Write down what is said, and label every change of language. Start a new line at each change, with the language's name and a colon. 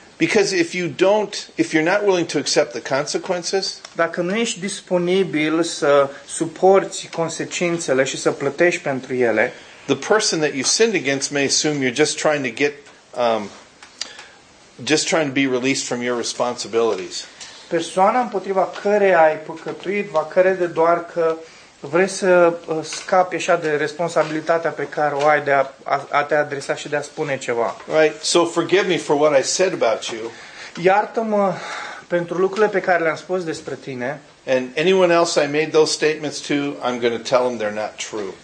English: Because if you're not willing to accept the consequences,
Romanian: dacă nu ești disponibil să suporți consecințele și să plătești pentru ele,
English: the person that you sinned against may assume you're just trying to get be released from your responsibilities.
Romanian: Persoana împotriva căreia ai păcătuit va crede doar că vrei să scapi așa de responsabilitatea pe care o ai de a te adresa și de a spune ceva.
English: Right. So forgive me for what I said about you.
Romanian: Iartă-mă pentru lucrurile pe care le-am spus despre tine.
English: And anyone else I made those statements to, I'm going to tell them they're not true.